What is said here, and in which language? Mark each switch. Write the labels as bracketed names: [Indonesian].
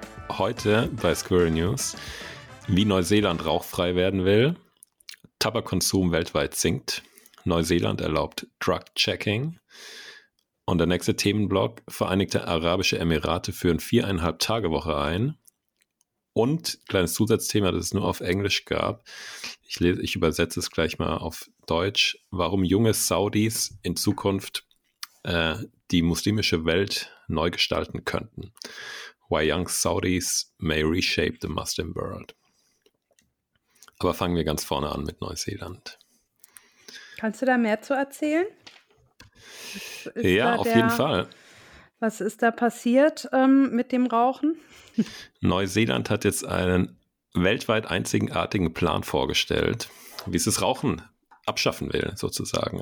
[German] Heute bei Squirrel News, wie Neuseeland rauchfrei werden will, Tabakkonsum weltweit sinkt, Neuseeland erlaubt Drug-Checking und der nächste Themenblock, Vereinigte Arabische Emirate führen 4,5-Tage-Woche ein und kleines Zusatzthema, das es nur auf Englisch gab, ich übersetze es gleich mal auf Deutsch, warum junge Saudis in Zukunft die muslimische Welt neu gestalten könnten. [English] Why young Saudis may reshape the Muslim world. [German] Aber fangen wir ganz vorne an mit Neuseeland. Kannst du da mehr zu erzählen? Ja, auf jeden Fall. Was ist da passiert mit dem Rauchen? Neuseeland hat jetzt einen weltweit einzigartigen Plan vorgestellt, wie es das Rauchen abschaffen will, sozusagen.